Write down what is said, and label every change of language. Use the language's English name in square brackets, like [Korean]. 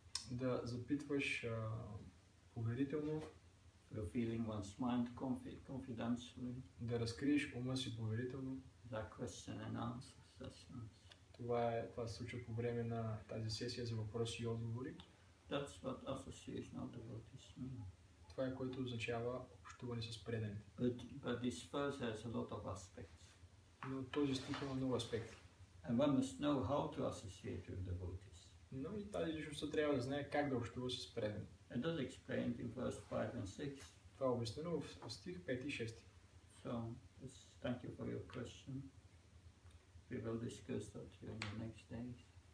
[Bulgarian] Да запитваш поверително, [English] revealing one's mind confidentially, [Bulgarian] да разкриеш ума си поверително. [English] That question and answer sessions. [Bulgarian] Това се случва по време на тази сесия за въпроси и отговори. [English] That's what association of devotees means. [Bulgarian] Това е което означава общуване с предените. [English] But this verse has a lot of aspects. [Bulgarian] Но този стих има много аспекти. [English] And one must know how to associate with devotees. [Bulgarian] Но и тази личност трябва да знае как да общува с предан. [English] It does explain in verse 5 and 6. [Bulgarian] Това е обяснено в стих 5 и 6. [English] So, thank you for your question. We will discuss that in the next days.